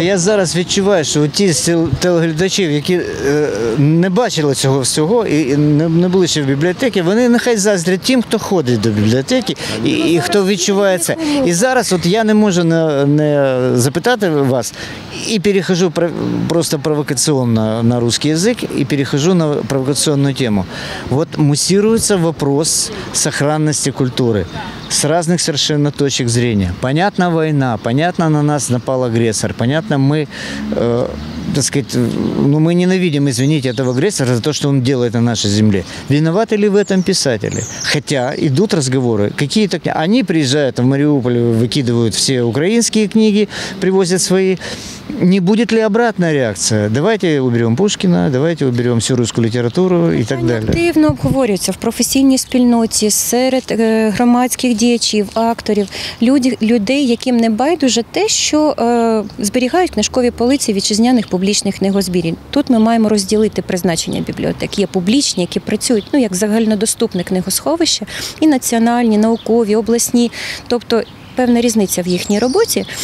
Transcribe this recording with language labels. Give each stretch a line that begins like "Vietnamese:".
Ukrainian: Я зараз відчуваю, що ті з телеглядачів, які не бачили цього всього і не були ще в бібліотеці, вони нехай заздрять тим, хто ходить до бібліотеки і хто відчуває це. І зараз от я не можу не запитати вас і перехожу просто провокаційно на русский язик і перехожу на провокаційну тему. От мусірується
Russian: вопрос сохранности культуры. с разных совершенно точек зрения. Понятно, война, понятно, на нас напал агрессор, понятно, мы, так сказать, ну, мы ненавидим, извините, этого агрессора за то, что он делает на нашей земле. Виноваты ли в этом писатели? Хотя идут разговоры, какие-то... Они приезжают в Мариуполь, выкидывают все украинские книги, привозят свои. Не будет ли обратная реакция? Давайте уберем Пушкина, давайте уберем всю русскую литературу и так далее.
Ukrainian: Активно обговорюється в професійній спільноті, серед громадських діячів, акторів, людей, яким не байдуже те, що зберігають книжкові полиці вітчизняних публічних книгозбірів. Тут ми маємо розділити призначення бібліотек. Є публічні, які працюють, ну, як загальнодоступне книгосховище, і національні, наукові, обласні, тобто, певна різниця в їхній роботі.